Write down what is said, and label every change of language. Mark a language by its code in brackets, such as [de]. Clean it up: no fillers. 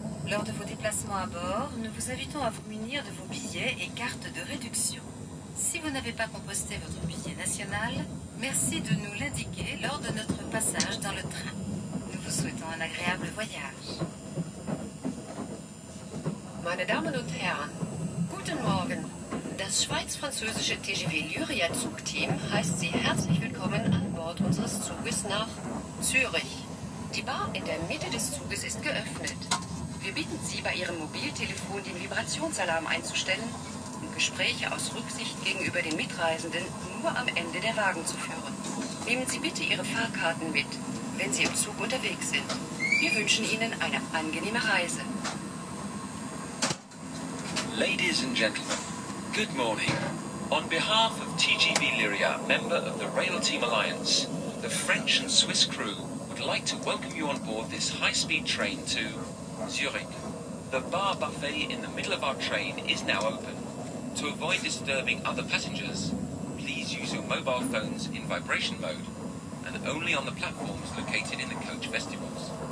[fr] Lors de vos déplacements à bord, nous vous invitons à vous munir de vos billets et cartes de réduction. Si vous n'avez pas composté votre billet national, merci de nous l'indiquer lors de notre passage dans le train. Nous vous souhaitons un agréable voyage. [de] Meine Damen und Herren, guten Morgen. Das schweiz-französische TGV Lyria-Zugteam heißt Sie herzlich willkommen an Bord unseres Zuges nach Zürich. Die Bar in der Mitte des Zuges ist geöffnet. Wir bitten Sie, bei Ihrem Mobiltelefon den Vibrationsalarm einzustellen. Gespräche aus Rücksicht gegenüber den Mitreisenden nur am Ende der Wagen zu führen. Nehmen Sie bitte Ihre Fahrkarten mit, wenn Sie im Zug unterwegs sind. Wir wünschen Ihnen eine angenehme Reise. [en] Ladies and Gentlemen, good morning. On behalf of TGV Lyria, member of the Rail Team Alliance, the French and Swiss crew would like to welcome you on board this high-speed train to Zurich. The bar buffet in the middle of our train is now open. To avoid disturbing other passengers, please use your mobile phones in vibration mode and only on the platforms located in the coach vestibules.